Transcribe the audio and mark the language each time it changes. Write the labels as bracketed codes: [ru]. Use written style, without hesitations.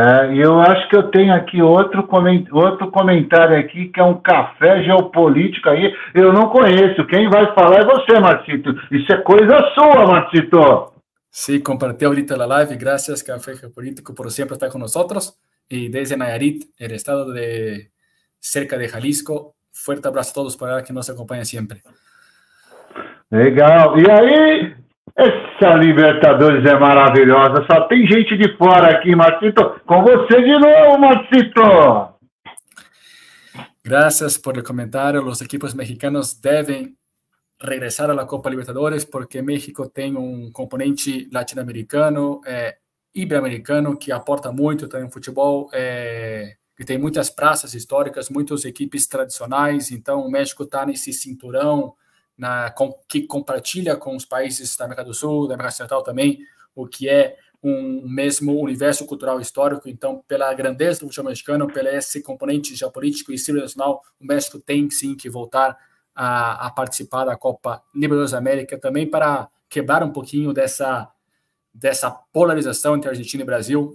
[pt] E eu acho que eu tenho aqui outro comentário aqui, que é um café geopolítico aí, eu não conheço, quem vai falar é você, Marcito. Isso é coisa sua, Marcito. Sim, compartilhou ahorita na live, graças, café geopolítico, por sempre estar com nós. [es] Y desde Nayarit, el estado de cerca de Jalisco, fuerte abrazo a todos por allá que nos acompaña siempre. Legal. Y ahí, esa Libertadores es maravillosa. [pt] Só tem gente de fora aquí, Marcito. Con você [es] de nuevo, [pt] Marcito. [es] Gracias por el comentario. Los equipos mexicanos deben regresar a la Copa Libertadores porque México tiene un componente latinoamericano. [pt] Ibero-americano, que aporta muito também no futebol, que tem muitas praças históricas, muitas equipes tradicionais, então o México está nesse cinturão que compartilha com os países da América do Sul, da América Central também, o que é um mesmo universo cultural histórico, então pela grandeza do futebol mexicano, pelo esse componente geopolítico e civilizacional, o México tem sim que voltar a participar da Copa Libertadores da América também para quebrar um pouquinho dessa polarização entre Argentina e Brasil.